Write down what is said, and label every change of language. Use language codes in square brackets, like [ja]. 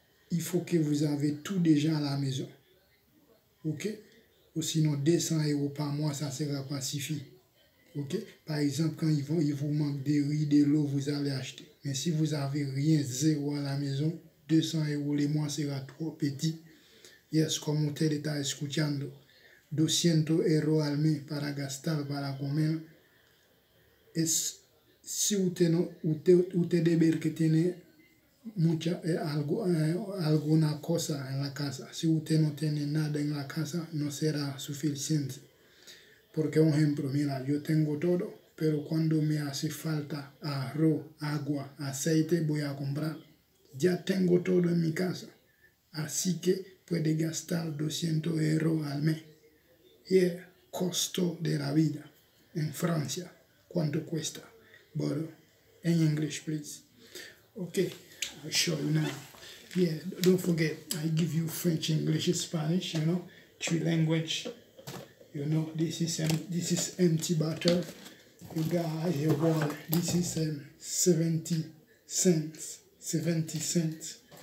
[fr] Il faut que vous avez tout déjà à la maison. OK? Ou sinon, 200 euros par mois, ça ne sera pas suffisant. Okay? Par exemple, quand il vous manque de riz, de l'eau, vous allez acheter. Mais si vous n'avez rien, zéro à la maison, 200 euros le mois sera trop petit. [es] Yes, comme usted está escuchando, 200 euros al mes para gastar, para comer. Es, si usted, no, usted debe que tiene mucha, alguna cosa en la casa. Si usted no tiene nada en la casa, no será suficiente. Porque un ejemplo, mira, yo tengo todo, pero cuando me hace falta arroz, agua, aceite, voy a comprar. Ya tengo todo en mi casa, así que puede gastar 200 euros al mes. Y el costo de la vida en Francia, ¿cuánto cuesta? Bueno, en [en] English, please. Ok, I'll show you now. Yeah, don't forget, I give you French, English, Spanish, you know, three languages. You know, this is empty butter. You got a wall. This is 70 cents. 70 cents.